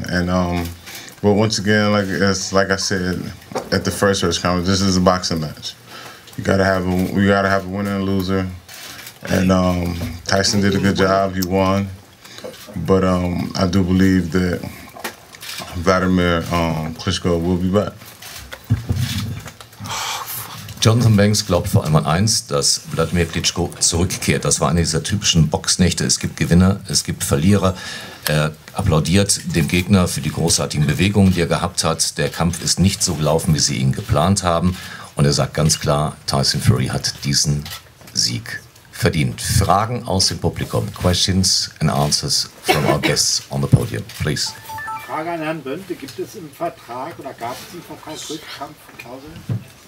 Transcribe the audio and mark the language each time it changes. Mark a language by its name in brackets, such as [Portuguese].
[English] And but once again, like I said at the first press conference, this is a boxing match. You gotta have a winner and a loser. And Tyson did a good job; he won. But I do believe that Vladimir Klitschko will be back. [German] Jonathan Banks glaubt vor allem an eins, dass Wladimir Klitschko zurückkehrt. Das war eine dieser typischen Boxnächte. Es gibt Gewinner, es gibt Verlierer. Er applaudiert dem Gegner für die großartigen Bewegungen, die er gehabt hat. Der Kampf ist nicht so gelaufen, wie sie ihn geplant haben. Und er sagt ganz klar, Tyson Fury hat diesen Sieg verdient. Fragen aus dem Publikum. [English] Questions and answers from our guests on the podium, please. [German] Frage an Herrn Bönte. Gibt es im Vertrag oder gab es im Vertrag Rückkampfklauseln?